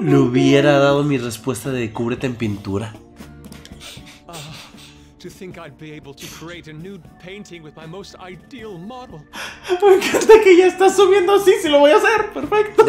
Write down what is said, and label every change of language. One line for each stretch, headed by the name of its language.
Spanish: Le hubiera dado mi respuesta de cúbrete en pintura.
English: To think I'd be able to create a nude painting with my most ideal model.
Spanish: Me encanta que ya estás subiendo así, sí lo voy a hacer, perfecto.